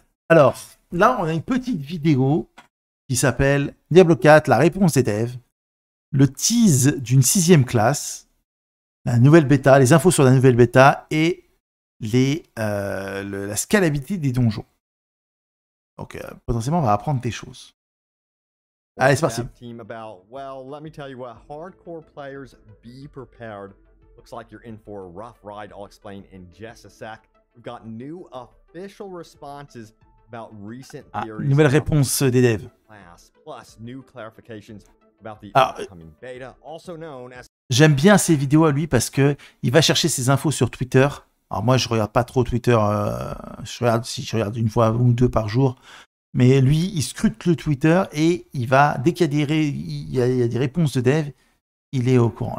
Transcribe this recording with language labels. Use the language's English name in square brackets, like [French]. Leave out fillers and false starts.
[French] Alors, là, on a une petite vidéo qui s'appelle Diablo 4, la réponse des devs, le tease d'une sixième classe, la nouvelle bêta, les infos sur la nouvelle bêta et la scalabilité des donjons. Donc, potentiellement, on va apprendre des choses. Allez, c'est parti. [English] Team about, well, let me tell you what, hardcore players, be prepared. Looks like you're in for a rough ride, I'll explain in just a sec. We've got new official responses about recent theories. [French] Nouvelle réponse des devs. [English] Plus new clarifications about the upcoming beta, also known as... [French] J'aime bien ses vidéos à lui parce que il va chercher ses infos sur Twitter. Alors moi, je regarde pas trop Twitter. Je regarde une fois ou deux par jour. Mais lui, il scrute le Twitter et il va, dès qu'il y a des réponses de dev, il est au courant.